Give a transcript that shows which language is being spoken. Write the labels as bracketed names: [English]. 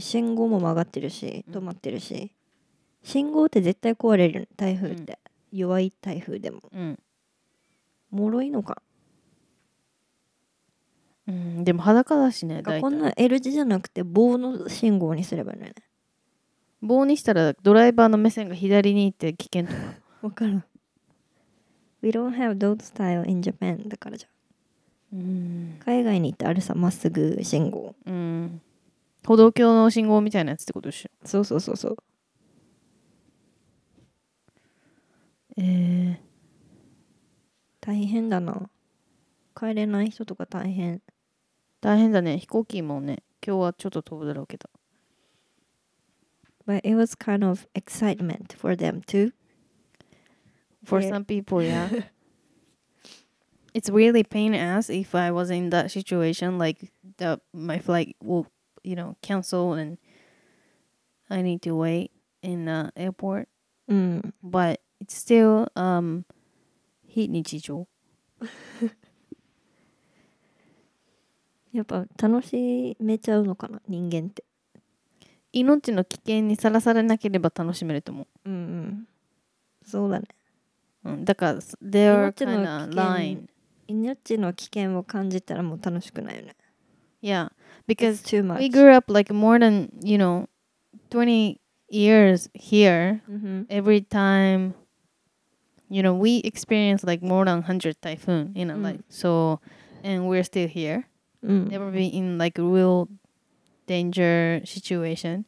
[Japanese] 信号も曲がってるし止まってるし、うん、信号って絶対壊れる台風って、うん、弱い台風でも、うん、脆いのか、うん、でも裸だしね。だこんな L 字じゃなくて棒の信号にすればね。棒にしたらドライバーの目線が左に行って危険とか。わかる。 [English] We don't have those style in Japan [Japanese] だからじゃ。うん、海外に行ってあるさ、まっすぐ信号、うん、歩道橋の信号みたいなやつってことでしょ。そうそうそうそう。大変だな。帰れない人とか大変。大変だね。飛行機もね、今日はちょっと飛ぶだろうけど。 [English] But it was kind of excitement for them too. For some people, yeah. It's really pain ass if I was in that situation, like the, my flight will, you know, cancel and I need to wait in the airport. Mm. But it's still, hit ni chicho. [Japanese] やっぱ楽しめちゃうのかな、人間って。命の危険にさらされなければ楽しめると思う。そうだね。だから、 [English] they are kind of lying. [Japanese] 命の危険を感じたらもう楽しくないよね。 [English] Yeah, because we grew up like more than, you know, 20 years here. Mm-hmm. Every time, you know, we experienced like more than 100 typhoon in a life. So, and we're still here. Never been in like real danger situation.